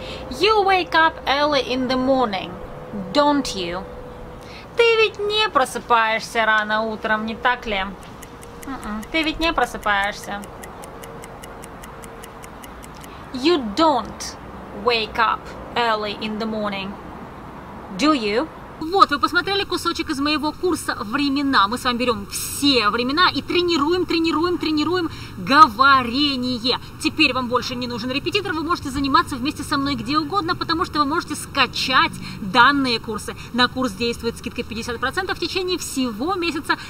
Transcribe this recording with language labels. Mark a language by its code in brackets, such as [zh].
[en] You wake up early in the morning, don't you? [ru] Ты ведь не просыпаешься рано утром, не так ли? Ты ведь не просыпаешься. [en] You don't wake up early in the morning, do you? [ru] Вот, вы посмотрели кусочек из моего курса «Времена». Мы с вами берем все времена и тренируем говорение. Теперь вам больше не нужен репетитор, вы можете заниматься вместе со мной где угодно, потому что вы можете скачать данные курсы. На курс действует скидка 50% в течение всего месяца.